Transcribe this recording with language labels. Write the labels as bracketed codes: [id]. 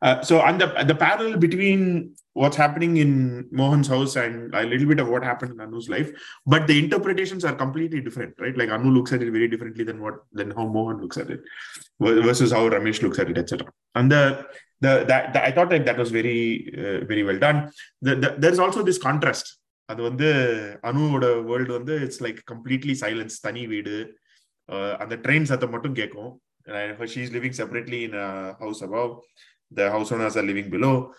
[en] So and the parallel between what's happening in Mohan's house and a little bit of what happened in Anu's life, but the interpretations are completely different, right? Like Anu looks at it very differently than how Mohan looks at it versus how Ramesh looks at it, etc. And the I thought like that was very very well done. There is also this contrast. [ta] அது வந்து அனுவோட world வந்து [en] it's like completely silence, [ta] தனி வீடு, [en] and the trains [ta] அத மட்டும் கேக்கும். [en] And she is living separately in a house above. The house owners are living below.